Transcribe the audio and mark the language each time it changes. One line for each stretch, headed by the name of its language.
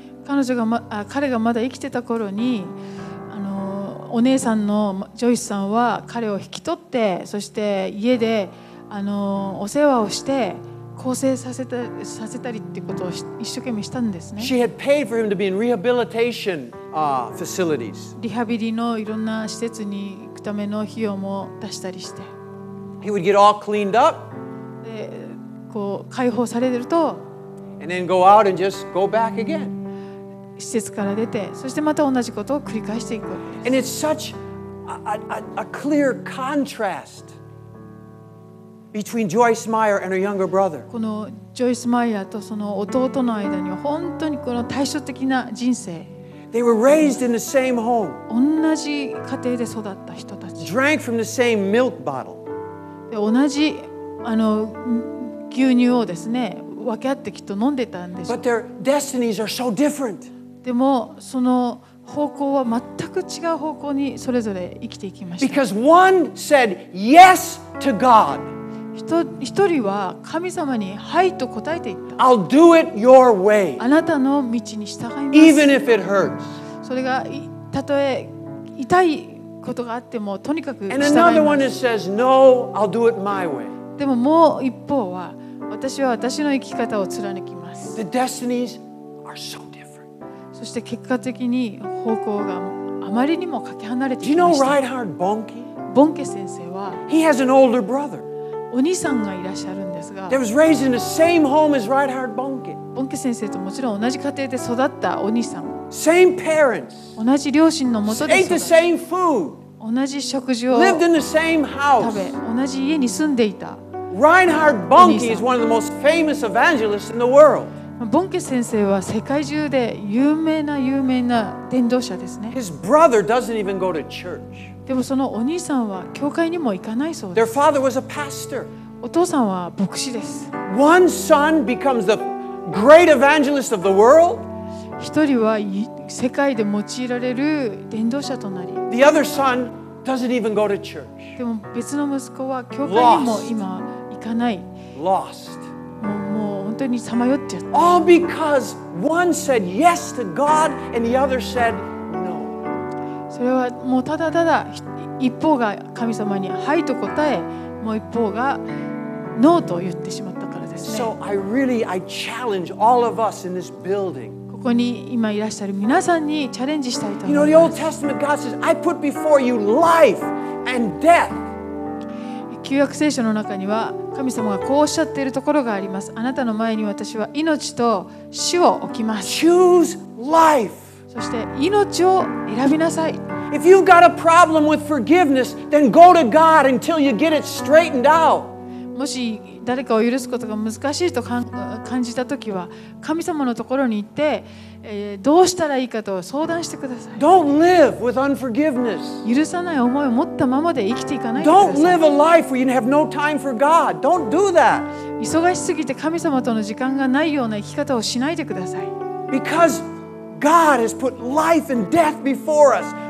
Japanese: 彼女が、彼がまだ生きてた頃に、お姉さんのジョイスさんは彼を引き取って、そして家で、お世話をして更生させたりってことを一生懸命したんですね。
English: She had paid for him to be in rehabilitation, facilities.
Japanese: リハビリのいろんな施設に行くための費用も出したりして。
English: He would get all cleaned up.
Japanese: で、こう解放されると。
English: And then go out and just go back again.
Japanese: 施設から出て、そしてまた同じことを繰り返していくわけです。
English: And it's such a clear contrast. Between Joyce Meyer and her younger brother.
Japanese: このジョイス・マイヤーとその弟の間には本当にこの対照的な人生。
English: They were raised in the same home.
Japanese: 同じ家庭で育った人たち。
English: Drank from the same milk bottle.
Japanese: で同じあの牛乳をですね分け合ってきっと飲んでたんでしょう。
English: But their destinies are so different.
Japanese: でもその方向は全く違う方向にそれぞれ生きていきました。
English: Because one said yes to God.
Japanese: 一人は神様にはいと答えていった。
English: I'll do it your way.
Japanese: あなたの道に従います。
English: Even if it hurts.
Japanese: それがたとえ痛いことがあってもとにかく従います。
English: And another one says no, I'll do it my way.
Japanese: でももう一方は私は私の生き方を貫きます。
English: The destinies are so different.
Japanese: そして結果的に方向があまりにもかけ離れていました。
English: Do you know Reinhard Bonnke?
Japanese: ボンケ先生は
English: He has an older brother.
Japanese: お兄さんがいらっしゃるんですが
English: There was raised in the same home as Reinhard Bonnke.
Japanese: ボンケ先生ともちろん同じ家庭で育ったお兄さん
English: Same parents.
Japanese: 同じ両親のもとで育った
English: Ate the same food.
Japanese: 同じ食事を
English: Lived in the same house.
Japanese: 食べ同じ家に住んでいた。
English: Reinhard Bonnke is one of the most famous evangelists in the world.
Japanese: Bonnke 先生は世界中で有名な有名な伝道者ですね。
English: His brother doesn't even go to church.
Japanese: でもそのお兄さんは教会にも行かないそうです。
English: Their father was a pastor.
Japanese: お父さんは牧師です。
English: One son becomes the great evangelist of the world.
Japanese: 一人は世界で用いられる伝道者となり。
English: The other son doesn't even go to church.
Japanese: でも別の息子は教会にも今行かない。
English: Lost.
Japanese: もう本当にさまよっちゃった。
English: All because one said yes to God and the other said no.
Japanese: それはもうただただ一方が神様にはいと答え、もう一方がノーと言ってしまったからですね。
English: So I really I challenge all of us in this building.
Japanese: ここに今いらっしゃる皆さんにチャレンジしたいと思います。
English: You know the Old Testament God says I put before you life and death.
Japanese: 旧約聖書の中には神様がこうおっしゃっているところがあります。あなたの前に私は命と死を置きます。
English: Choose life.
Japanese: そして命を選びなさい。
English: If you've got a problem with forgiveness, then go to God until you get it straightened out.
Japanese: もし誰かを許すことが難しいと感じたときは神様のところに行って、どうしたらいいかと相談してください。
English: Don't live with unforgiveness.
Japanese: 許さない思いを持ったままで生きていかないでください
English: Don't live a life where you have no time for God. Don't do that.
Japanese: 忙しすぎて神様との時間がないような生き方をしないでください。
English: Because God has put life and death before us.